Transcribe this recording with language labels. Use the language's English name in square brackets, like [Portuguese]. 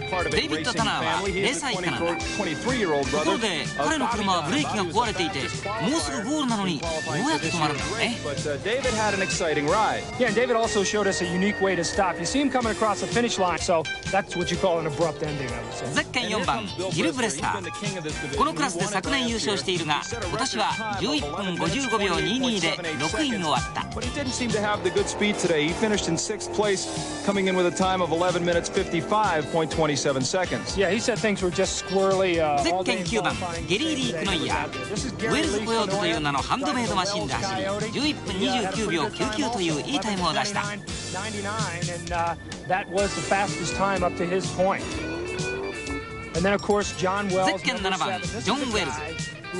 [Japanese] デイビッド・タナーは0歳以下なんだ。ところで彼の車はブレーキが壊れていて、もうすぐゴールなのにどうやって止まるんだろうね。 [English] David had an exciting ride. Yeah, and David also showed us a unique way to stop. You see him coming across the finish line, so that's what you call an abrupt ending. [Japanese] ゼッケン4番、ギル・ブレスター。このクラスで昨年優勝しているが、今年は11分55秒22で6位に終わった。 [English] But he didn't seem to have the good speed today. He finished in 6th place, coming in with a time of 11 minutes 55.27 seconds. Yeah, he said things were just squirrely. [Japanese] ゼッケン9番、ゲリー・リー・クノイヤー。ウェルズ・コヨートという名のハンドメイドマシンで走り、11分29秒99といういいタイムを出した。ゼッケン 7番、ジョン・ウェルズ。